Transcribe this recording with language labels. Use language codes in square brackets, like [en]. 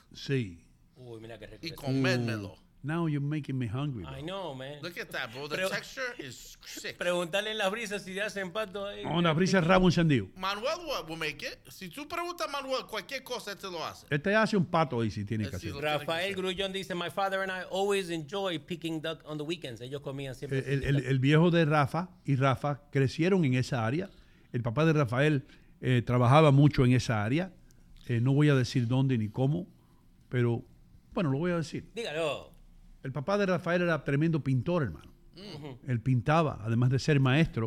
[es] Sí. Uy, mira qué rico. Y comérmelo. [en] Now you're making me hungry, bro. I know, man. Look at that, bro. The texture is sick. [es] Pregúntale en las brisas si ya hacen pato ahí. Oh, las brisas rabo encendido. [en] Manuel will make it. [es] Si tú preguntas a Manuel cualquier cosa, él te lo hace. Él te hace un pato ahí si tiene que hacer. [en] Rafael Grullón dice, my father and I always enjoy picking duck on the weekends. [es] Ellos comían siempre. El viejo de Rafa y Rafa crecieron en esa área. El papá de Rafael trabajaba mucho en esa área. No voy a decir dónde ni cómo, pero bueno, lo voy a decir. Dígalo. El papá de Rafael era tremendo pintor, hermano. Uh-huh. Él pintaba, además de ser maestro.